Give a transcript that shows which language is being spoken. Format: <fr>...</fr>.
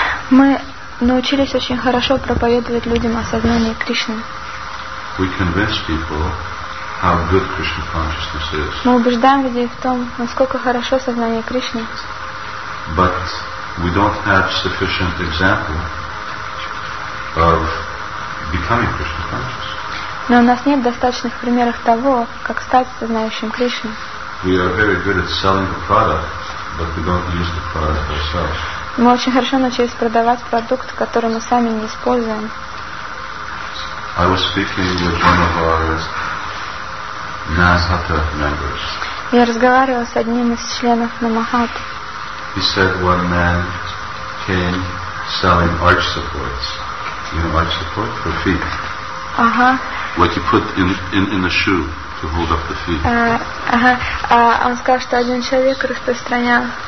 <ru>Мы научились очень хорошо проповедовать людям о сознании Кришны.</ru> <en>We convince people how good Krishna consciousness is.</en> <ru>Мы убеждаем людей в том, насколько хорошо сознание Кришны.</ru> <en>But we don't have sufficient example of becoming Krishna conscious.</en> <ru>Но у нас нет достаточных примеров того, как стать сознающим Кришну.</ru> <en>We are very good at selling the product, but we don't use the product ourselves.</en> <ru>Мы очень хорошо начали продавать продукт, который мы сами не используем.</ru> <en>I was speaking with one of our Namahata members.</en> <ru>Я разговаривал с одним из членов Намахат.</ru> <en>He said one man came selling arch supports. You know arch support for feet. Ага. What you put in the shoe to hold up the feet.</en> <ru>Он сказал, что один человек распространял.</ru>